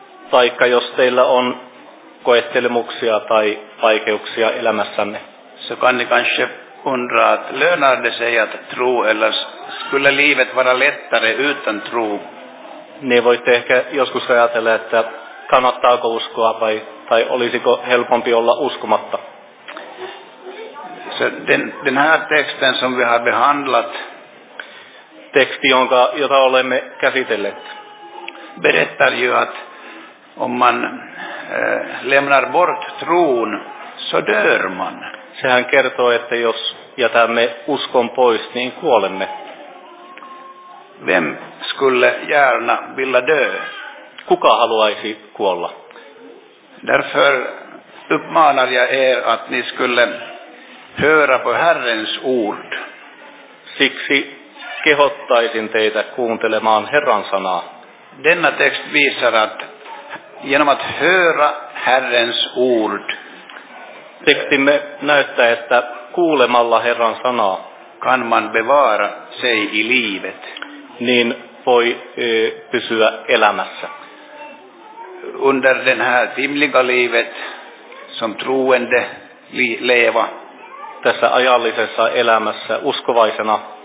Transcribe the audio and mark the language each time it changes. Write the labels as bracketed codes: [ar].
[fi] Taikka jos teillä on koettelemuksia tai vaikeuksia elämässänne. [sv] Så kan ni kanske undra att lönar det sig att tro eller skulle livet vara lättare utan tro? [fi] Ne voitte ehkä joskus ajatella, että kannattaako uskoa tai olisiko helpompi olla uskomatta. [sv] Så den här texten som vi har behandlat, [fi] teksti, jota olemme käsitelleet, [sv] berättar ju att om man lämnar bort tron, så dör man. [fi] Sehän kertoo, että jos jätämme uskon pois, niin kuolemme. [sv] Vem skulle gärna vilja dö? [fi] Kuka haluaisi kuolla? [sv] Därför uppmanar jag er att ni skulle höra på Herrens ord. [fi] Siksi kehottaisin teitä kuuntelemaan Herran sanaa. [sv] Denna text visar att genom att höra Herrens ord, [fi] tekstimme näyttää, että kuulemalla Herran sanaa, [sv] kan man bevara sig i livet, [fi] niin voi pysyä elämässä. [sv] Under den här timliga livet som troende leva, [fi] tässä ajallisessa elämässä uskovaisena,